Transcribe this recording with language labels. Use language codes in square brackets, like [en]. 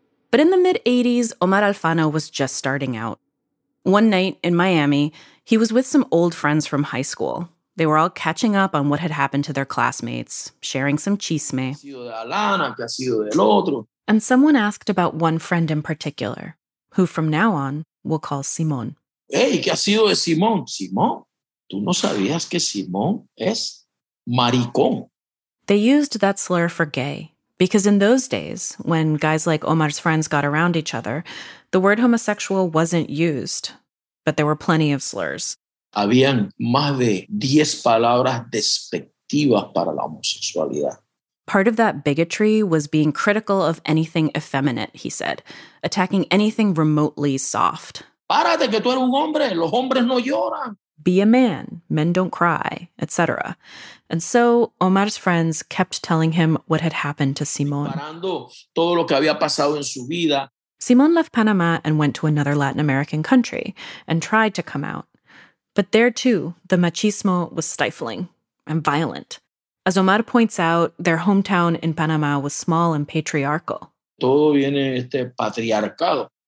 [en] But in the mid-80s, Omar Alfano was just starting out. One night in Miami, he was with some old friends from high school. They were all catching up on what had happened to their classmates, sharing some chisme. And someone asked about one friend in particular, who from now on we'll call Simón. [es] Hey, ¿qué ha sido de Simón? Simón, ¿tú no sabías que Simón es maricón? [en] They used that slur for gay, because in those days, when guys like Omar's friends got around each other, the word homosexual wasn't used, but there were plenty of slurs. [es] Habían más de 10 palabras despectivas para la homosexualidad. [en] Part of that bigotry was being critical of anything effeminate, he said, attacking anything remotely soft. [es] Párate que tú eres un hombre, los hombres no lloran. [en] Be a man, men don't cry, etc. And so Omar's friends kept telling him what had happened to Simón. [es] Todo lo que había pasado en su vida. [en] Simón left Panama and went to another Latin American country and tried to come out. But there too, the machismo was stifling and violent. As Omar points out, their hometown in Panama was small and patriarchal. [es] Todo viene este patriarcado.